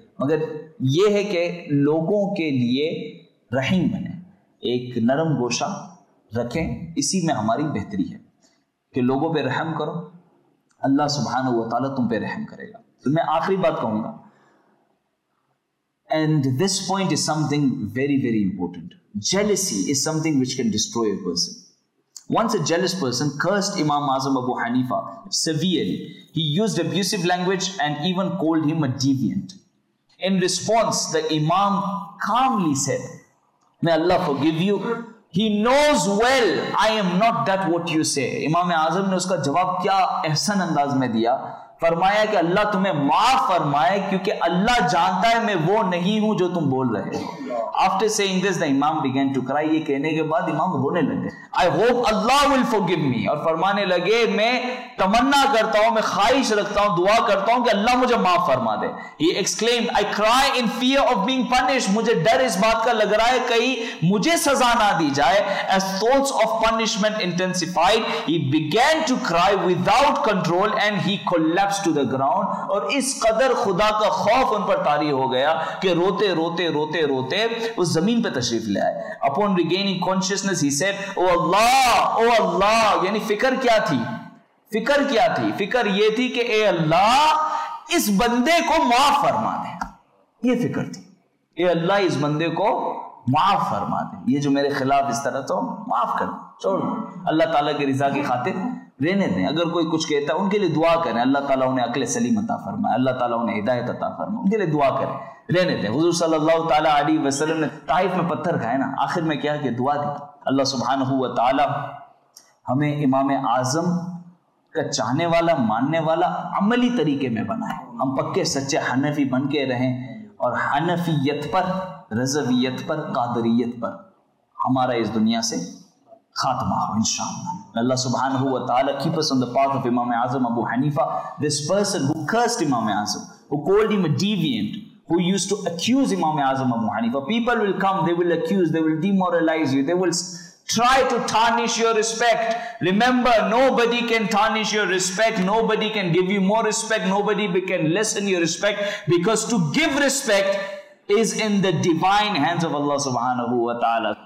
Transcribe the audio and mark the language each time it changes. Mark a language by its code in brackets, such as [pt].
[ur] मगर ये है कि लोगों के लिए रहीम बने, एक नरम गोशा رکھیں, اسی میں ہماری بہتری ہے کہ لوگوں پہ رحم کرو, اللہ سبحانہ و تعالیٰ تم پہ رحم کرے گا. تو میں آخری بات کہوں گا, [en] And this point is something very very important. Jealousy is something which can destroy a person. Once a jealous person cursed Imam Azam Abu Hanifa severely. He used abusive language and even called him a deviant. In response, the Imam calmly said, May Allah forgive you. He knows well, I am not that what you say. [ur] Imam Azam نے اس کا جواب کیا احسن انداز میں دیا, فرمایا کہ اللہ تمہیں معاف فرمائے کیونکہ اللہ جانتا ہے میں وہ نہیں ہوں جو تم بول رہے ہو. [en] After saying this, the imam began to cry. [ur] یہ کہنے کے بعد امام رونے لگے. [en] I hope Allah will forgive me. [ur] اور فرمانے لگے میں تمنا کرتا ہوں, میں خواہش رکھتا ہوں, دعا کرتا ہوں کہ اللہ مجھے معاف فرما دے. [en] He exclaimed, I cry in fear of being punished. [ur] مجھے ڈر اس بات کا لگ رہا ہے کہیں مجھے سزا نہ دی جائے. [en] As thoughts of punishment intensified, he began to cry without control and he collapsed to the ground. [ur] اور اس قدر خدا کا خوف ان پر طاری ہو گیا کہ روتے روتے روتے روتے وہ زمین پہ تشریف لے آئے. [en] Upon regaining consciousness, he said, oh Allah, [ur] یعنی فکر کیا تھی, فکر کیا تھی, فکر یہ تھی کہ اے اللہ اس بندے کو معاف فرما دے. یہ فکر تھی, اے اللہ اس بندے کو معاف فرما دے, یہ جو میرے خلاف اس طرح تو معاف کر دے, چھوڑ دے, اللہ تعالیٰ کی رضا کی خاطر رہنے دیں. اگر کوئی کچھ کہتا ہے ان کے لیے دعا کریں, اللہ تعالیٰ انہیں عقل سلیم عطا فرمائے, اللہ تعالیٰ انہیں ہدایت عطا فرمائے, ان کے لیے دعا کریں, رہنے دیں. حضور صلی اللہ تعالیٰ علیہ وسلم نے طائف میں پتھر کھائے نا, آخر میں کیا کہ دعا دی. اللہ سبحانہ و تعالیٰ ہمیں امام اعظم کا چاہنے والا ماننے والا عملی طریقے میں بنائے, ہم پکے سچے حنفی بن کے رہیں, اور حنفیت پر, رضویت پر, قادریت پر ہمارا اس دنیا سے خاتمہ ہو انشاءاللہ. [en] اللہ سبحانہ و تعالیٰ keep us on the path of Imam Azam Abu Hanifa. This person who cursed Imam Azam, who called him a deviant, who used to accuse Imam Azam Abu Hanifa, people will come, they will accuse, they will demoralize you, they will try to tarnish your respect. Remember, nobody can tarnish your respect, nobody can give you more respect, nobody can lessen your respect, because to give respect is in the divine hands of Allah subhanahu wa ta'ala.